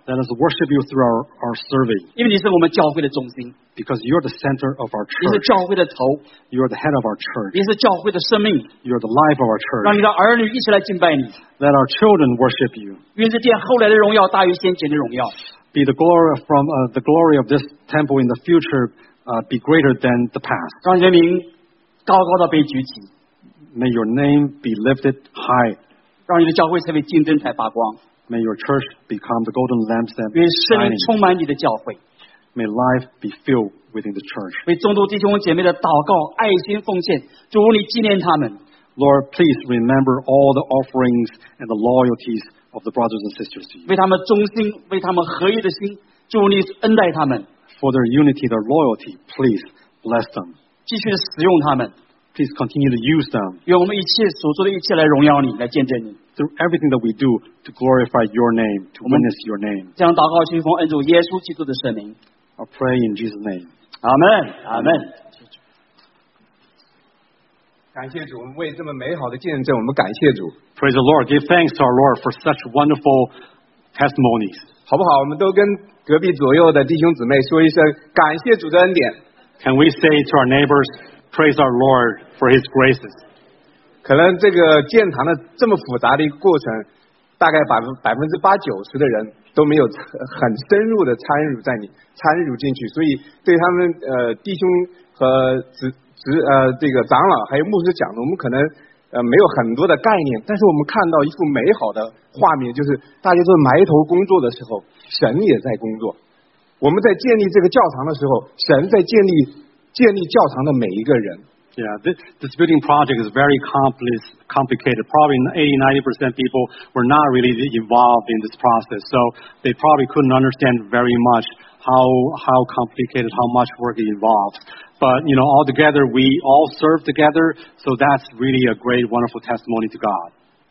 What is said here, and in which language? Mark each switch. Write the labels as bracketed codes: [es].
[en] Let us worship you through our serving. [zh] 因为你是我们教会的中心。 [en] Because you're the center of our church. [zh] 你是教会的头。 [en] You're the head of our church. [zh] 你是教会的生命。 [en] You're the life of our church. [zh] 让你的儿女一起来敬拜你。 [en] Let our children worship you. [zh] 愿这殿后来的荣耀大于先前的荣耀。 [en] Be the glory from the glory of this temple in the future be greater than the past. [zh] 让人民高高的被举起。 [en] May your name be lifted high. [zh] 让你的教会成为金灯台发光。 [en] May your church become the golden lampstand. [zh] 愿圣灵充满你的教会。 [en] May life be filled within the church. [zh] 为众多弟兄姐妹的祷告、爱心奉献，主你纪念他们。 [en] Lord, please remember all the offerings and the loyalties of the brothers and sisters to you. [zh] 为他们忠心、为他们合一的心，主你恩待他们。 [en] For their unity, their loyalty, please bless them. [zh] 继续使用他们。 [en] Please continue to use them. [zh] 用我们一切所做的一切来荣耀你，来见证你。 [en] Through everything that we do to glorify your name, to witness your name. [zh] 这样祷告，信奉恩主耶稣基督的圣名。 [en] I pray in Jesus' name. Amen. Amen. [zh] 感谢主，我们为这么美好的见证，我们感谢主。 [en] Praise the Lord. Give thanks to our Lord for such wonderful testimonies. [zh] 好不好？我们都跟隔壁左右的弟兄姊妹说一声，感谢主的恩典。 [en] Can we say to our neighbors? Praise our Lord for His graces. [zh] 可能这个建堂的这么复杂的一个过程，大概80%-90%的人都没有很深入的参与进去，所以对他们弟兄和长老还有牧师讲的，我们可能没有很多的概念。但是我们看到一幅美好的画面，就是大家都埋头工作的时候，神也在工作。我们在建立这个教堂的时候，神在建立。建立教堂的每一个人 [en] Yeah, this building project is very complicated. Probably 80-90% people were not really involved in this process, so they probably couldn't understand very much how complicated, how much work it involves. But, you know, all together, we all serve together, so that's really a great, wonderful testimony to God.